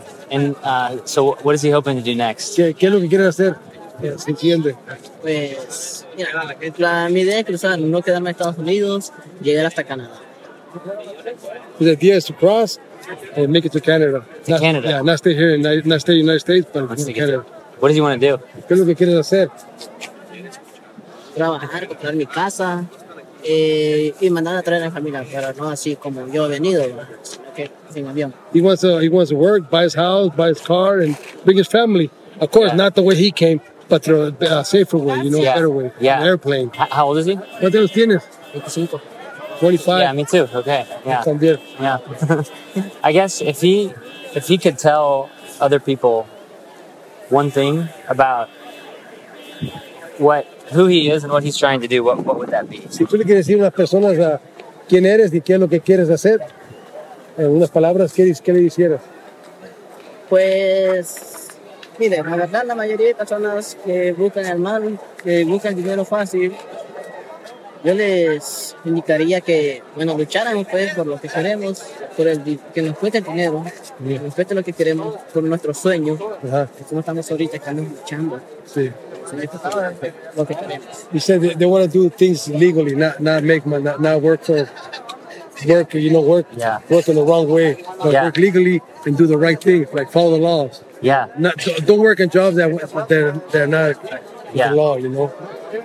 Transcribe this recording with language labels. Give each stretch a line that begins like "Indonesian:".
English: And so what is he hoping to do next?
Spanish: ¿Qué es lo que quiere hacer? ¿Se entiende? Pues, mira, mi idea es cruzar, no quedarme en Estados Unidos, llegar hasta Canadá.
English: His idea is to cross and make it to Canada. To Canada? Yeah, not stay here, not stay in the United States, but in Canada. What does he want to do?
Spanish: ¿Qué es lo que quiere hacer? Trabajar, comprar mi casa, y mandar a traer a la familia, pero no así como yo he venido, sin avión.
English: He wants to work, buy his house, buy his car, and bring his family. Of course, not the way he came, but through a safer way, you know, a better way. Yeah. An airplane. How old is he?
Spanish: ¿Cuántos tienes? 25.
English: Yeah, me too. Okay. Yeah. Yeah. I guess if he could tell other people one thing about what who he is and what he's trying to do, what would that be?
Spanish: Si tú le quieres decir a las personas quién eres y qué es lo que quieres hacer, en unas palabras, ¿qué le hicieras? Pues, mire, la verdad, la mayoría de personas que buscan el mal, que buscan dinero fácil, yo les indicaría que, bueno, lucharan pues por lo que queremos, por el que nos cueste el dinero, que nos cueste lo que queremos, por nuestros sueños, que no estamos ahorita, estamos luchando. Sí.
English: He said they want to do things legally, not work, you know, work in the wrong way, but work legally and do the right things, like follow the laws. Yeah. Don't work in jobs that they're not the law, you know?